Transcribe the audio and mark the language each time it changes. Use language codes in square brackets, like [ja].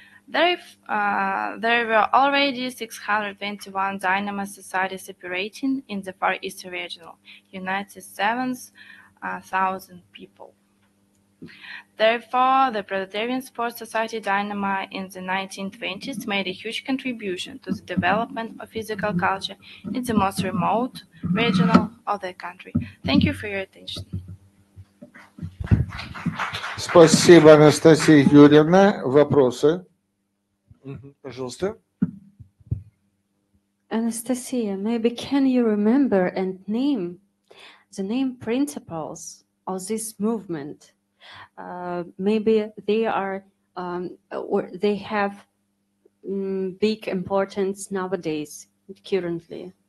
[en] There were already 621 Dynamo societies operating in the Far East region, United 7,000 people. Therefore, the Proletarian Sports Society Dynamo in the 1920s made a huge contribution to the development of physical culture in the most remote region of the country. Thank you for your attention. [ru] Спасибо, Анастасия Юрьевна. Вопросы? Пожалуйста. [en] Анастасия, maybe can you remember and name the name principles of this movement? Maybe they are or they have big importance nowadays, currently.